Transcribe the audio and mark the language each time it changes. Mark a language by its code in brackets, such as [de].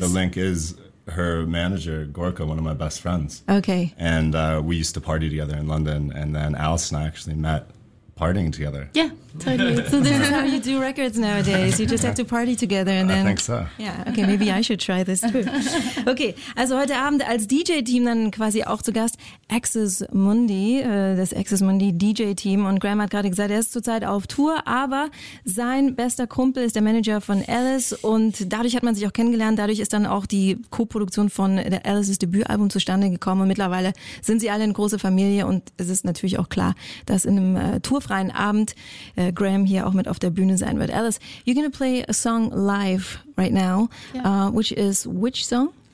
[en] The link is her manager, Gorka, one of my best friends. Okay. And we used to party together in London, and then Alice and I actually met partying together. Yeah, totally. So this is how you do records nowadays. You just have to party together and then... I think so. Yeah, okay, maybe I should try this too. [de] Okay, also heute Abend als DJ-Team dann quasi auch zu Gast Axis Mundi, das Axis Mundi DJ-Team. Und Graham hat gerade gesagt, er ist zurzeit auf Tour, aber sein bester Kumpel ist der Manager von Alice, und dadurch hat man sich auch kennengelernt. Dadurch ist dann auch die Co-Produktion von der Alice's Debütalbum zustande gekommen, und mittlerweile sind sie alle eine große Familie, und es ist natürlich auch klar, dass in einem Tour freien Abend Graham hier auch mit auf der Bühne sein wird. [en] Alice, you're going to play a song live right now, which is which song?